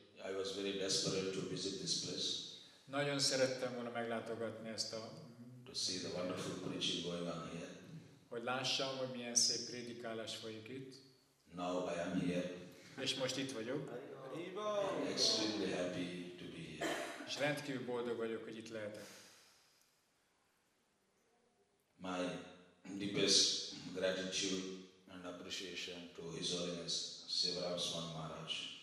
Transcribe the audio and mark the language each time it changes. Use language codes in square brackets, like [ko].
[en] I was very desperate to visit this place. [hu] Nagyon szerettem volna meglátogatni ezt a... [en] To see the wonderful preaching going on here. [hu] Hogy lássam, hogy milyen szép prédikálás folyik itt. [en] Now I am here. [hu] És most itt vagyok. [en] Extremely happy to be here. [hu] És rendkívül boldog vagyok, hogy itt lehetek. [en] My deepest gratitude and appreciation to His Holiness Sivaram Swami Maharaj.